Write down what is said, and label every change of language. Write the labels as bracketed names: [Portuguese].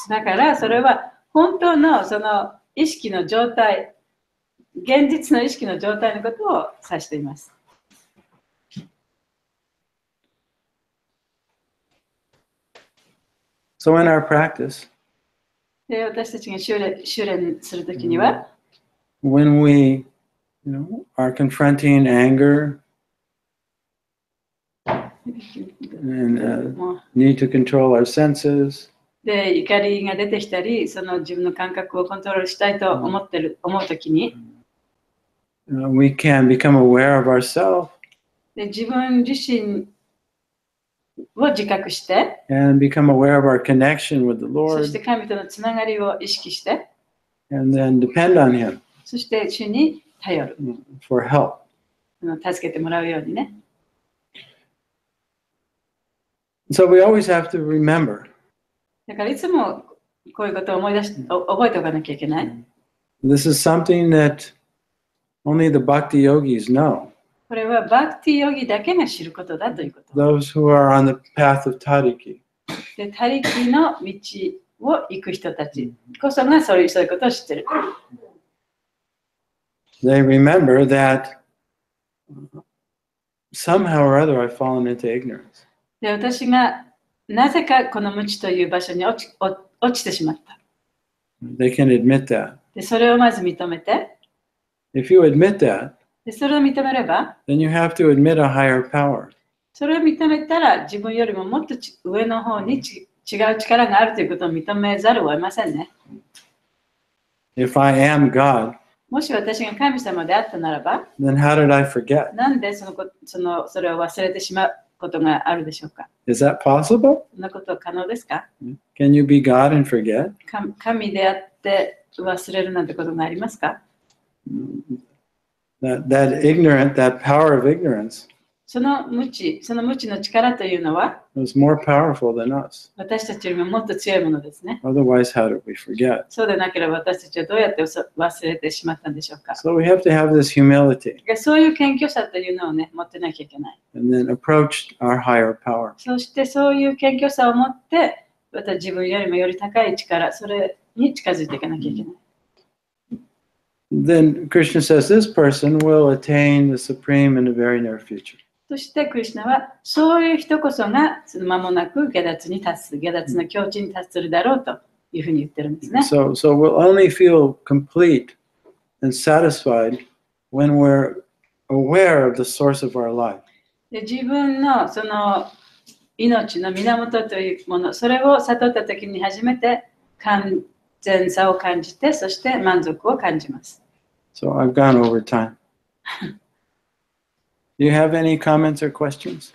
[Japanese] だからそれは、本当のその意識の状態、現実の意識の状態のことを指しています。 [English] So in our practice, [Japanese] で私たちが修練するときには、 [English] when we, you know, are confronting anger and need to control our senses. [Japanese] で怒りが出てきたり、その自分の感覚をコントロールしたいと思うときに、 [English] we can become aware of ourselves. [Japanese] で自分自身を自覚して、 [English] and become aware of our connection with the Lord. [Japanese] そして神とのつながりを意識して、 [English] and then depend on Him. [Japanese] そして主に頼る。 [English] for help. [Japanese] 助けてもらうようにね。 [English] So we always have to remember. [Japanese] だからいつもこういうことを覚えておかなきゃいけない。 [English] This is something that only the bhakti yogis know. [Japanese] これはバクティヨギだけが知ることだということ。 [English] Those who are on the path of tariki. [Japanese] で、他力の道を行く人たちこそがそういうことを知ってる。 [English] They remember that somehow or other I've fallen into ignorance. [Japanese] で、私がなぜかこの無知という場所に落ちてしまった。 [English] They can admit that. [Japanese] で、それをまず認めて。 [English] If you admit that, [Japanese] それを認めれば、 [English] then you have to admit a higher power. [Japanese] それを認めたら、自分よりももっと上の方に違う力があるということを認めざるを得ませんね。 [English] If I am God, [Japanese] もし私が神様であったならば、 [English] then how did I forget? [Japanese] なんでそれを忘れてしまうことがあるでしょうか。 [English] Is that possible? [Japanese] そんなことは可能ですか。 [English] Can you be God and forget? [Japanese] 神であって忘れるなんてことがありますか。 [English] That ignorant, that power of ignorance, [Japanese] その無知の力というのは、 [English] is more powerful than us. [Japanese] 私たちよりももっと強いものですね。 [English] Otherwise, how did we forget? [Japanese] そうでなければ私たちはどうやって忘れてしまったんでしょうか。 [English] So we have to have this humility. [Japanese] そういう謙虚さというのをね、持ってなきゃいけない。 [English] And then approach our higher power. [Japanese] そしてそういう謙虚さを持って、また自分よりもより高い力、それに近づいていかなきゃいけない。 Mm-hmm. [English] Then Krishna says this person will attain the supreme in the very near future. [Japanese] そしてクリシュナはそういう人こそが間もなく下脱の境地に達するだろうというふうに言ってるんですね。 [English] So we'll only feel complete and satisfied when we're aware of the source of our life. [Japanese] で自分のその命の源というもの、それを悟った時に初めて全さを感じて、そして満足を感じます。 [English] So I've gone over time. Do you have any comments or questions?